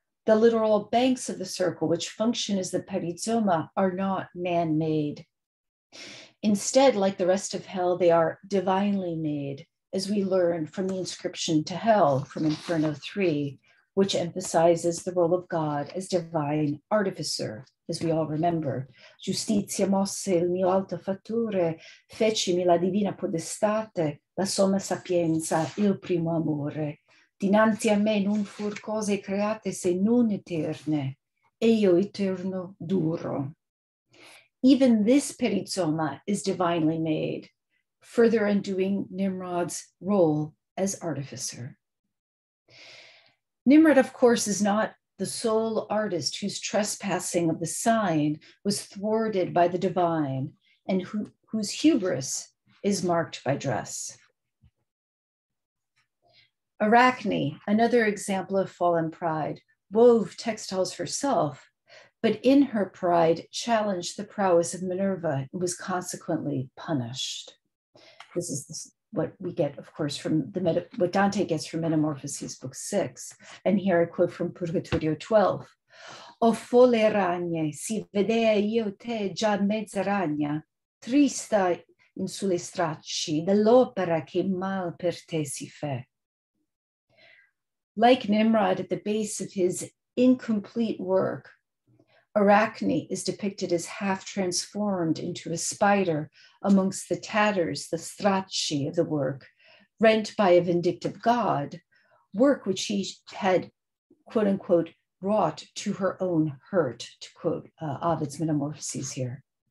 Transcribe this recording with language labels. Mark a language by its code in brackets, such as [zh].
[en] The literal banks of the circle, which function as the perizoma, are not man-made. Instead, like the rest of hell, they are divinely made, as we learn from the inscription to hell from Inferno 3, which emphasizes the role of God as divine artificer, as we all remember. [it] Giustizia mosse il mio alto fattore, fecimi la divina podestate, la somma sapienza, il primo amore. Dinanzi a me non fur cose create se non eterne, e io eterno duro. [en] Even this perizoma is divinely made, further undoing Nimrod's role as artificer. Nimrod, of course, is not the sole artist whose trespassing of the sign was thwarted by the divine and whose hubris is marked by dress. Arachne, another example of fallen pride, wove textiles herself, but in her pride challenged the prowess of Minerva and was consequently punished. This is what we get, of course, from what Dante gets from Metamorphoses, book 6. And here I quote from Purgatorio 12. [it] O folle ragne, si vedea io te già mezza ragna, trista in sulle stracci dell'opera che mal per te si fe. [en] Like Nimrod at the base of his incomplete work, Arachne is depicted as half transformed into a spider amongst the tatters, the stracci of the work, rent by a vindictive god, work which he had, quote unquote, wrought to her own hurt, to quote Ovid's Metamorphoses here.